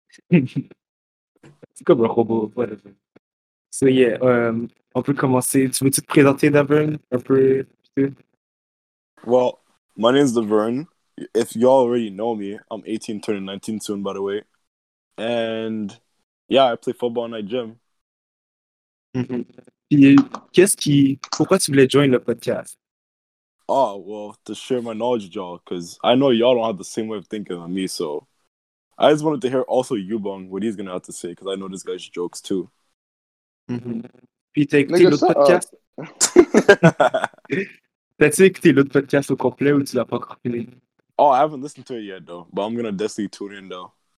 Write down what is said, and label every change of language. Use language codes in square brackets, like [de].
[fr] C'est comme un robot, whatever. [en] So yeah, [fr] on peut commencer. Tu veux-tu te présenter, Davern, un peu? [en] Well, my name is Davern. If y'all already know me, I'm 18 turning 19 soon, by the way. And yeah, I play football in my gym. [fr] Puis, pourquoi tu voulais join le podcast? [en] Oh, well, to share my knowledge with y'all, because I know y'all don't have the same way of thinking on me, so I just wanted to hear also Yubong, what he's going to have to say, because I know this guy's jokes, too. [fr] Puis, t'as écouté l'autre podcast? T'as-tu écouté l'autre podcast au complet ou tu l'as pas encore fini? [en] Oh, I haven't listened to it yet, though, but I'm going to definitely tune in, though.